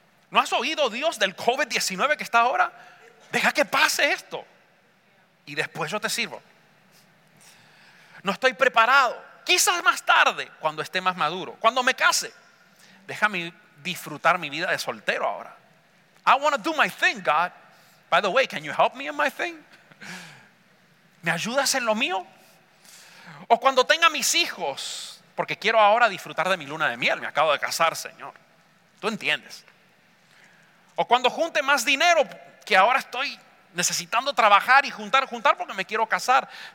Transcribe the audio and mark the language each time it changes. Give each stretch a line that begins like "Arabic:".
Spanish: ¿No has oído, Dios, del COVID-19 que está ahora? Deja que pase esto y después yo te sirvo. No estoy preparado. Quizás más tarde, cuando esté más maduro, cuando me case, déjame disfrutar mi vida de soltero ahora.
English: I want to do my thing, God. By the way, can you help me in my thing?
Spanish: ¿Me ayudas en lo mío? O cuando tenga mis hijos, porque quiero ahora disfrutar de mi luna de miel. Me acabo de casar, Señor. Tú entiendes. O cuando junte más dinero, que ahora estoy necesitando trabajar y juntar porque me quiero casar.